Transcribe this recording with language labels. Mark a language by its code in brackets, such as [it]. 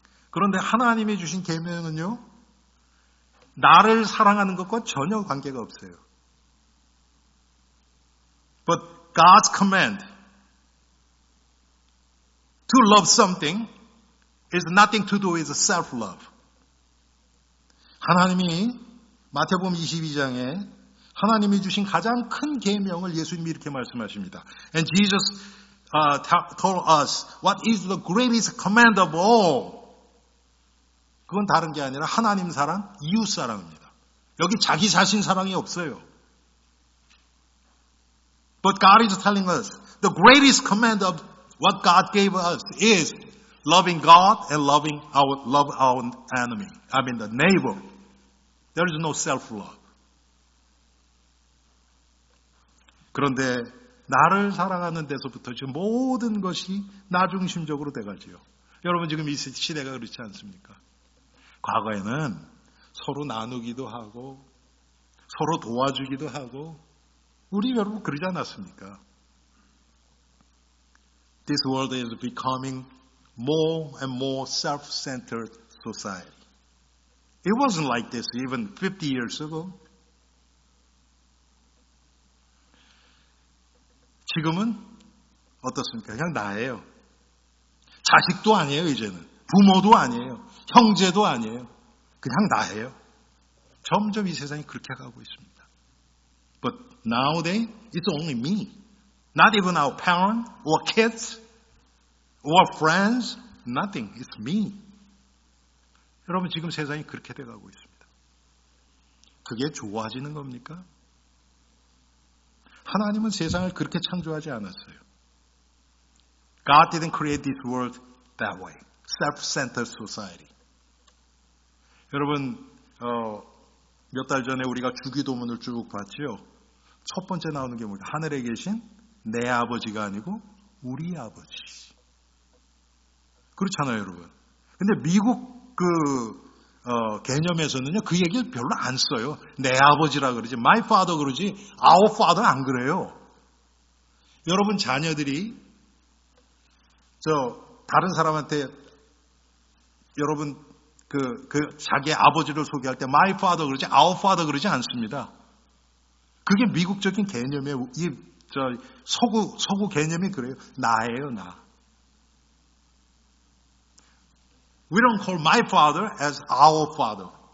[ko] 그런데 하나님이 주신 계명은요, 나를 사랑하는 것과 전혀 관계가 없어요. [en] But God's command to love something is nothing to do with self-love. [ko] 하나님이 마태복음 22장에 하나님이 주신 가장 큰 계명을 예수님이 이렇게 말씀하십니다. [en] And Jesus told us what is the greatest command of all. [ko] 그건 다른 게 아니라 하나님 사랑, 이웃 사랑입니다. 여기 자기 자신 사랑이 없어요. [en] But God is telling us the greatest command of what God gave us is loving God and the neighbor. There is no self-love. [ko] 그런데 나를 사랑하는 데서부터 지금 모든 것이 나중심적으로 돼가지요. 여러분 지금 이 시대가 그렇지 않습니까? 과거에는 서로 나누기도 하고 서로 도와주기도 하고 우리 여러분 그러지 않았습니까? [en] This world is becoming more and more self-centered society. It wasn't like this even 50 years ago. [ko] 지금은 어떻습니까? 그냥 나예요. 자식도 아니에요, 이제는. 부모도 아니에요. 형제도 아니에요. 그냥 나예요. 점점 이 세상이 그렇게 가고 있습니다. [en] But nowadays, it's only me. Not even our parents, or kids, or friends. Nothing. It's me. [ko] 여러분, 지금 세상이 그렇게 돼가고 있습니다. 그게 좋아지는 겁니까? 하나님은 세상을 그렇게 창조하지 않았어요. [en] God didn't create this world that way. Self-centered society. [ko] 여러분, 몇 달 전에 우리가 주기도문을 쭉 봤지요. 첫 번째 나오는 게 뭐죠? 하늘에 계신 내 아버지가 아니고 우리 아버지. 그렇잖아요, 여러분. 근데 미국 그 개념에서는요, 그 얘기를 별로 안 써요. 내 아버지라 그러지, [en] my father [ko] 그러지, [en] our father [ko] 안 그래요. 여러분 자녀들이 저 다른 사람한테 여러분 그 자기 아버지를 소개할 때 [en] my father [ko] 그러지, [en] our father [ko] 그러지 않습니다. 그게 미국적인 개념의 이 저 서구 개념이 그래요. 나예요, 나. [en] We don't call my father as our father.